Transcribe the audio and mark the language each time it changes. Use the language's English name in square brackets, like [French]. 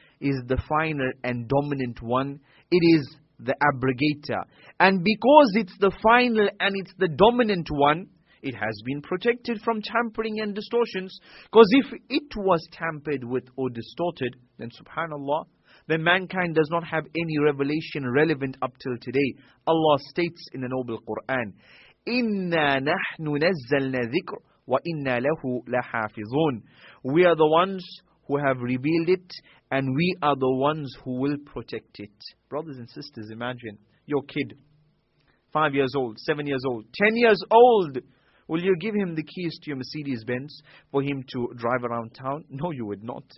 [English] is the final and dominant one. It is the abrogator. And because it's the final and it's the dominant one, it has been protected from tampering and distortions. Because if it was tampered with or distorted, then subhanAllah, then mankind does not have any revelation relevant up till today. [Arabic] Allah states in the Noble Quran, إِنَّا نَحْنُ نَزَّلْنَا ذِكْرُ وَإِنَّا لَهُ لَحَافِظُونَ. [English] We are the ones who have revealed it, and we are the ones who will protect it. Brothers and sisters, imagine your kid, 5 years old, 7 years old, 10 years old. Will you give him the keys to your Mercedes Benz for him to drive around town? No, you would not.